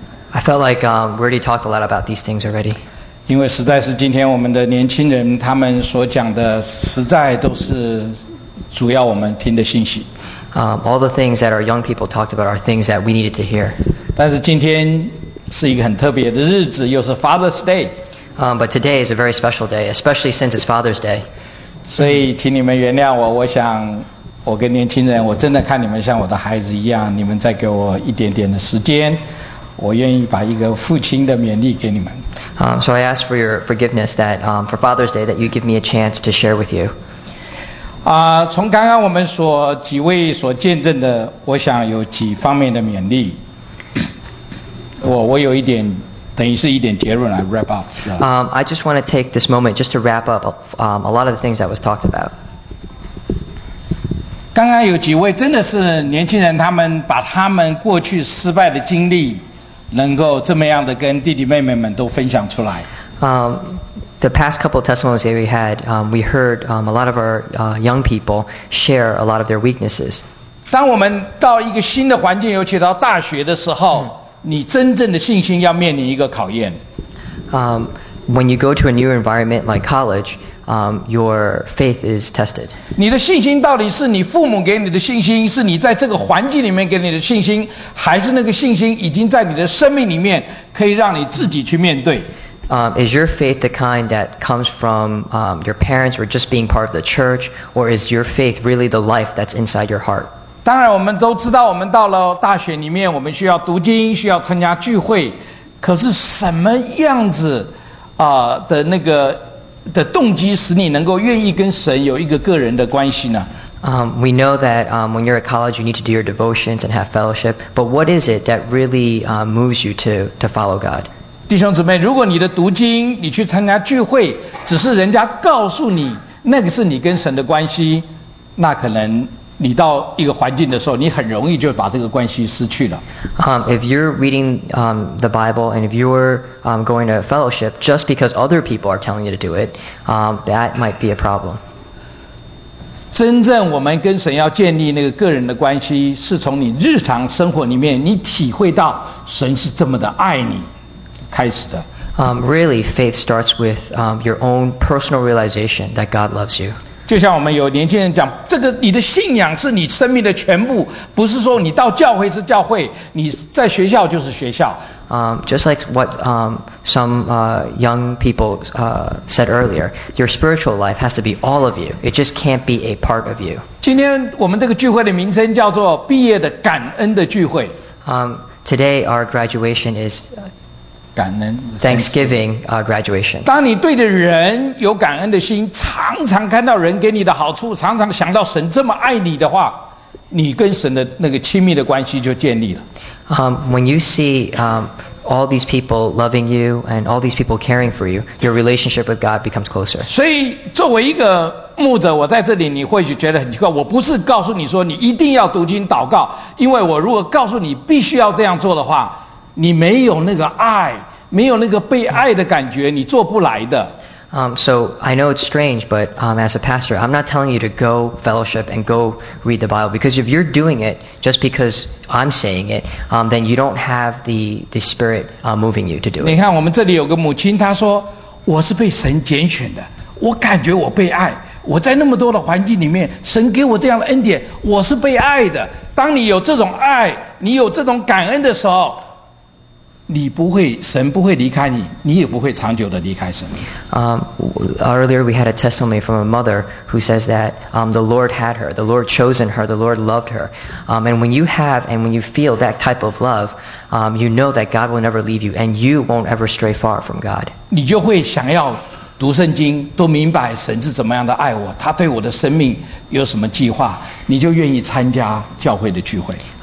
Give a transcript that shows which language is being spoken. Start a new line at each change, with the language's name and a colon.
English: I felt like we already talked a lot about these things already.
Chinese: 因为实在是今天我们的年轻人他们所讲的实在都是主要我们听的信息。
English: All the things that our young people talked about are things that we needed to hear.
Chinese: 但是今天是一个很特别的日子，又是 Father's Day.
English: But today is a very special day, especially since it's Father's Day.
Chinese: 所以，请你们原谅我，我想。我跟年轻人，我真的看你们像我的孩子一样。你们再给我一点点的时间，我愿意把一个父亲的勉励给你们。
English: So I ask for your forgiveness that for Father's Day that you give me a chance to share with you.
Chinese: 从刚刚我们所几位所见证的，我想有几方面的勉励。我有一点，等于是一点结论来
English: wrap up。 I just want to take this moment just to wrap up a lot of the things that was talked about.
Chinese: 刚刚有几位真的是年轻人，他们把他们过去失败的经历，能够这么样的跟弟弟妹妹们都分享出来。
English: The past couple of testimonies that we had, we heard a lot of our young people share a lot of their weaknesses.
Chinese: 当我们到一个新的环境，尤其到大学的时候，你真正的信心要面临一个考验。
English: When you go to a new environment like college. Your faith is tested.
Chinese: 你的信心到底是你父母给你的信心，是你在这个环境里面给你的信心，还是那个信心已经在你的生命里面，可以让你自己去面对？
English: Is your faith the kind that comes from your parents or just being part of the church, or is your faith really the life that's inside your heart?
Chinese: 当然，我们都知道，我们到了大学里面，我们需要读经，需要参加聚会，可是什么样子的那个？的动机使你能够愿意跟神有一个个人的关系呢？
English: We know that when you're at college, you need to do your devotions and have fellowship. But what is it that really moves you to follow God?
Chinese: 弟兄姊妹，如果你的读经、你去参加聚会，只是人家告诉你那个是你跟神的关系，那可能你到一个环境的时候，你很容易就把这个关系失去了。
English: If you're reading the Bible and if you're going to fellowship just because other people are telling you to do it, that might be a problem.
Chinese: 真正我们跟神要建立那个个人的关系，是从你日常生活里面，你体会到神是这么的爱你开始的。
English: Really, faith starts with your own personal realization that God loves you.
Chinese: 就像我们有年轻人讲，这个你的信仰是你生命的全部，不是说你到教会是教会，你在学校就是学校。
English: Just like what some young people said earlier, your spiritual life has to be all of you. It just can't be a part of you.
Chinese: 今天我们这个聚会的名称叫做毕业的感恩的聚会。
English: Today our graduation is. Thanksgiving graduation.
Chinese: 当你对的人有感恩的心，常常看到人给你的好处，常常想到神这么爱你的话，你跟神的那个亲密的关系就建立了。
English: When you see all these people loving you and all these people caring for you, your relationship with God becomes closer.
Chinese: 所以作为一个牧者，我在这里你会觉得很奇怪，我不是告诉你说你一定要读经祷告，因为我如果告诉你必须要这样做的话，你没有那个爱，没有那个被爱的感觉，你做不来的。
English: So I know it's strange, but as a pastor, I'm not telling you to go fellowship and go read the Bible because if you're doing it just because I'm saying it, then you don't have the spirit moving you to do it.
Chinese: 你看，我们这里有个母亲，她说：“我是被神拣选的，我感觉我被爱。我在那么多的环境里面，神给我这样的恩典，我是被爱的。当你有这种爱，你有这种感恩的时候。” 你不会，神不会离开你，你也不会长久的离开神。
English: Earlier we had a testimony from a mother who says that the Lord had her, the Lord chosen her, the Lord loved her. And when you have and when you feel that type of love, you know that God will never leave you and you won't ever stray far from God.
Chinese: 你就会想要读圣经，都明白神是怎么样的爱我，他对我的生命有什么计划，你就愿意参加教会的聚会。